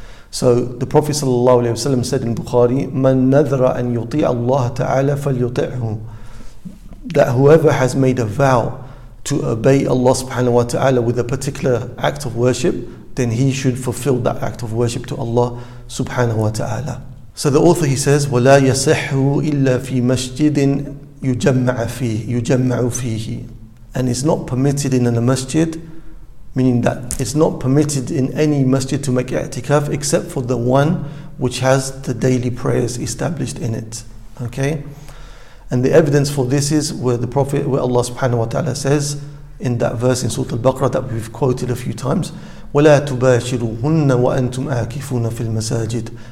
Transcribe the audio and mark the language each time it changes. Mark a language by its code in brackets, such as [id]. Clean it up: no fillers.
[en] So the Prophet ﷺ said in Bukhari, [ar] "Man nadhara an yuti' Allah ta'ala falyuti'hu." [en] That whoever has made a vow to obey Allah subhanahu wa ta'ala with a particular act of worship, then he should fulfill that act of worship to Allah subhanahu wa ta'ala. So the author, he says, [ar] وَلَا يَصِحُّ إِلَّا فِي مَسْجِدٍ يُجَمَّعُ فِيهِ. [en] And it's not permitted in a masjid, meaning that it's not permitted in any masjid to make i'tikaf except for the one which has the daily prayers established in it. Okay? And the evidence for this is where the Prophet, where Allah subhanahu wa ta'ala says in that verse in Surah Al-Baqarah that we've quoted a few times, [ar] وَلَا تُبَاشِرُهُنَّ وَأَنْتُمْ آكِفُونَ فِي الْمَسَاجِدِ.